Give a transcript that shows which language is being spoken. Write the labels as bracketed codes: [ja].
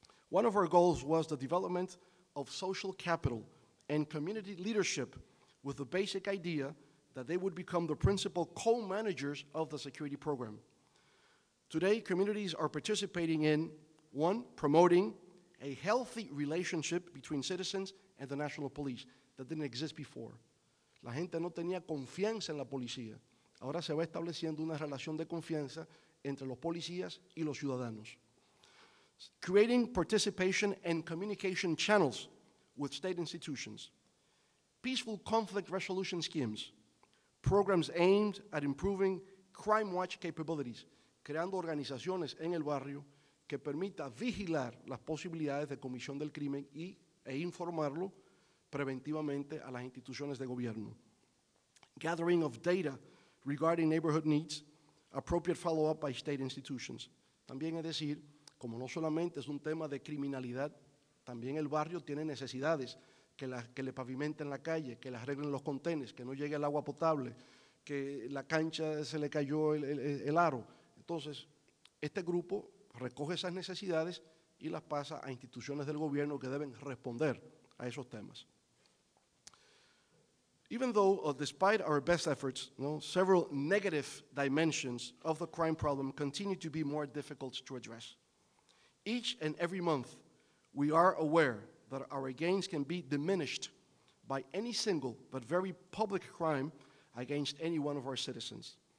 [en] One of our goals was the development of social capital and community leadership with the basic idea that they would become the principal co-managers of the security program. Today, communities are participating in, one, promoting a healthy relationship between citizens and the national police that didn't exist before. [es] La gente no tenía confianza en la policía. Ahora se va estableciendo una relación de confianza entre los policías y los ciudadanos. [en] Creating participation and communication channels with state institutions. Peaceful conflict resolution schemes. Programs aimed at improving crime watch capabilities. [es] Creando organizaciones en el barrio que permita vigilar las posibilidades de comisión del crimen e informarlo preventivamente a las instituciones de gobierno. [en] Gathering of data regarding neighborhood needs. Appropriate follow-up by state institutions. [es] También es decir, como no solamente es un tema de criminalidad, también el barrio tiene necesidades, que le pavimenten la calle, que le arreglen los contenedores, que no llegue el agua potable, que la cancha se le cayó el aro. Entonces, este grupo recoge esas necesidades y las pasa a instituciones del gobierno que deben responder a esos temas. [en] Even though, despite our best efforts, several negative dimensions of the crime problem continue to be more difficult to address. Each and every month, we are aware that our gains can be diminished by any single but very public crime against any one of our citizens.